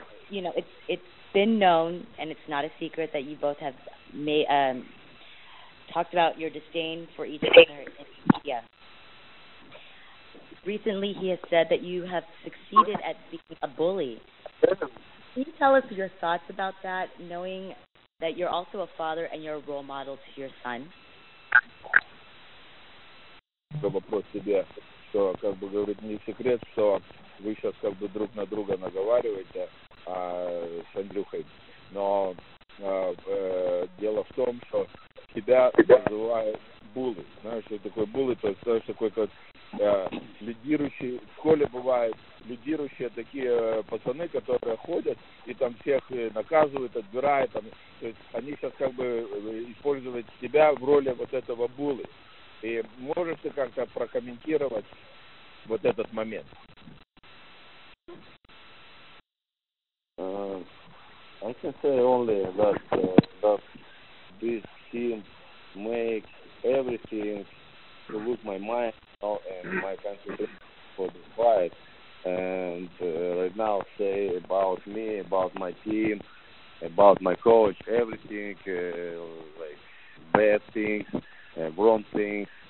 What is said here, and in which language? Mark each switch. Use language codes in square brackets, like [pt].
[en] You know, it's been known, and it's not a secret, that you both have talked about your disdain for each other in media. Recently, he has said that you have succeeded at being a bully. Can you tell us your thoughts about that, knowing that you're also a father and you're a role model to your son? [ru] Вопрос тебе, что, как бы, говорит, не секрет, что вы сейчас, как бы, друг на друга наговариваете с Андрюхой. Но дело в том, что тебя называют буллы. Знаешь, что такое буллы, то есть, знаешь, такой, как лидирующий, в школе бывает, лидирующие такие пацаны, которые ходят и там всех наказывают, отбирают. Там, то есть, они сейчас, как бы, используют тебя в роли вот этого буллы. И можешь ты как-то прокомментировать вот этот момент? [en] I can say only that this team makes everything to lose my mind and my concentration for the fight. And right now say about me, about my team, about my coach, everything, like bad things, wrong things.